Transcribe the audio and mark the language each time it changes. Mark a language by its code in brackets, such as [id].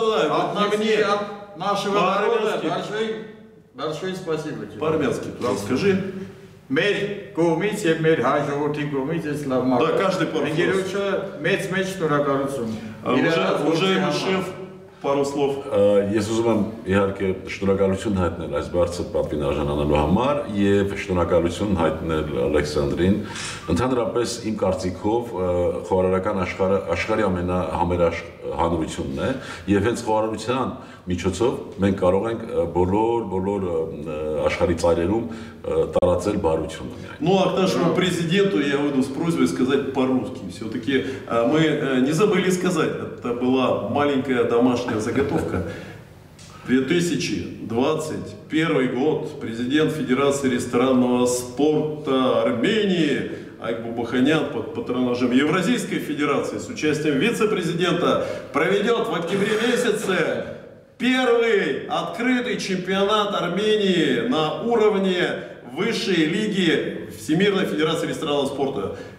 [ru] От нашего народа. Большое спасибо тебе. По-армянски туда скажи. [hy] Мер кумите, мер хайжоуртин кумите, славмак. [ru] Да, каждый пару слов. [hy] Венгерюча, мец, турагарусум. [ru] Уважаемый шеф, пару слов. [hy] Ես ուզում եմ իհարկե շնորհակալություն հայտնել այս բարձր պատվինաժանանալու համար եւ շնորհակալություն հայտնել Ալեքսանդրին։ Ընդհանրապես իմ կարծիքով խորհրդարական աշխարհը աշխարհի ամենահանրությունն է եւ հենց խորհրդարության միջոցով մենք կարող ենք բոլոր աշխարհի ծայրերում տարածել բարությունը։ [ru] Ну, а к нашему президенту я выйду с просьбой сказать по-русски. Все-таки мы не забыли сказать, это была маленькая домашняя заготовка. 2021 год, президент Федерации ресторанного спорта Армении Айкбубаханян под патронажем Евразийской Федерации с участием вице-президента проведет в октябре месяце первый открытый чемпионат Армении на уровне высшей лиги Всемирной Федерации Ресторанного Спорта.